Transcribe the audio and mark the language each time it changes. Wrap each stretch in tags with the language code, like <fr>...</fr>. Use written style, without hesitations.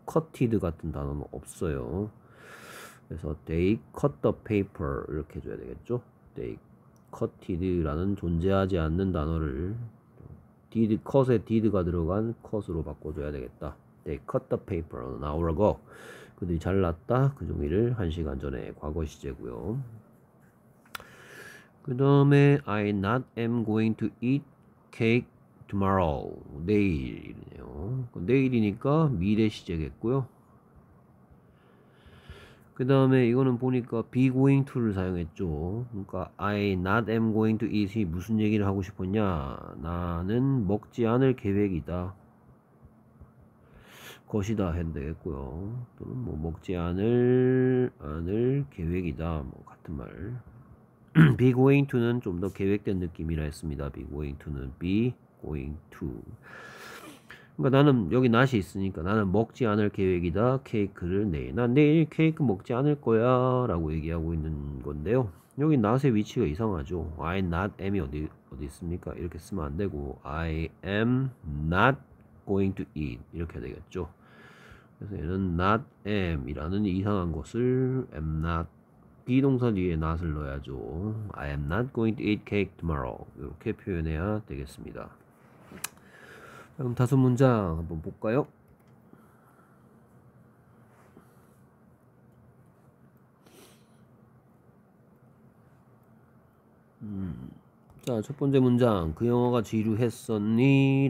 <ko>cutted 같은 단어는 없어요. 그래서</ko> <en>they cut the paper</en> <ko>이렇게 줘야 되겠죠? they cutted라는 존재하지 않는 단어를 did cut에 did가 들어간 cut으로 바꿔줘야 되겠다.</ko> <en>They cut the paper an hour ago.</en> <ko>그들이 잘랐다. 그 종이를 1시간 전에 과거 시제고요. 그 다음에</ko> <en>I not am going to eat cake tomorrow.</en> <ko>내일이네요. 내일이니까 미래 시제겠고요. 그 다음에 이거는 보니까 be going to를 사용했죠. 그러니까</ko> <en>I not am going to eat</en> <ko>이 무슨 얘기를 하고 싶었냐? 나는 먹지 않을 계획이다. 것이다 해도 되겠고요. 또는 뭐 먹지 않을 계획이다. 뭐 같은 말. be going to는 좀더 계획된 느낌이라 했습니다.</ko> <en>be going to는 be going to.</en> <ko>그러니까 나는 여기 not이 있으니까 나는 먹지 않을 계획이다. 케이크를 내일. 난 내일 케이크 먹지 않을 거야. 라고 얘기하고 있는 건데요. 여기 not의 위치가 이상하죠. I not am이 어디 있습니까? 이렇게 쓰면 안 되고</ko> <en>I am not going to eat.</en> <ko>이렇게 해야 되겠죠. 그래서 얘는 not am 이라는 이상한 것을 am not, be 동사 뒤에 not을 넣어야죠.</ko> <en>I am not going to eat cake tomorrow.</en> <ko>이렇게 표현해야 되겠습니다. 그럼 다섯 문장 한번 볼까요? 자, 첫 번째 문장. 그 영화가 지루했었니?</ko>